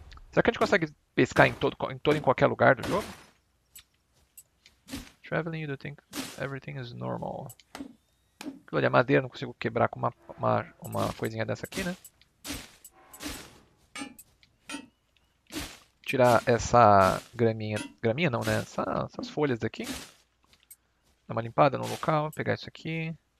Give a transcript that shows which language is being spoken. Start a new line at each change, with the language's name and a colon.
Portuguese: Será que a gente consegue pescar em qualquer lugar do jogo?
English: Traveling, you think everything is normal.
Portuguese: Olha, madeira, não consigo quebrar com uma coisinha dessa aqui, né? Tirar essa graminha. Graminha não, né? Essas folhas daqui. Dar uma limpada no local. Pegar isso aqui.